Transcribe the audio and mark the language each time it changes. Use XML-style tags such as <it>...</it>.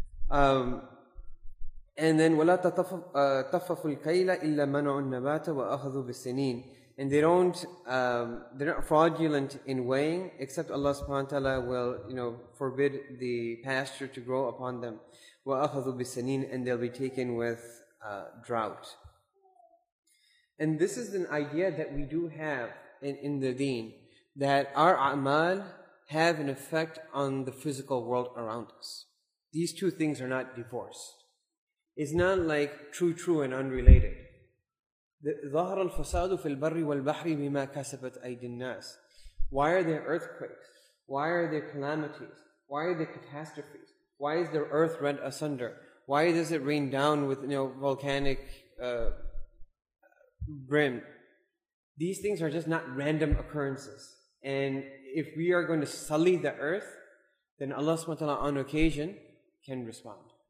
<en>And then,</en> <ar>وَلَا تَطَفَّفُ الْكَيْلَ إِلَّا مَنَعُ النَّبَاتَ وَأَخَذُوا بِالسِّنِينَ.</ar> <en>And they don't, they're not fraudulent in weighing, except Allah subhanahu wa ta'ala will, you know, forbid the pasture to grow upon them.</en> <ar>وَأَخَذُوا بِالسَّنِينَ.</ar> <en>And they'll be taken with drought. And this is an idea that we do have in the deen, that our a'mal have an effect on the physical world around us. These two things are not divorced. It's not like true and unrelated.</en> <ar>ظهر الفساد في البر والبحر بما كسبت أيدي الناس.</ar> <en>Why are there earthquakes? Why are there calamities? Why are there catastrophes? Why is the earth rent asunder? Why does it rain down with, you know, volcanic brim? These things are just not random occurrences. And if we are going to sully the earth, then Allah subhanahu wa ta'ala on occasion can respond.</en>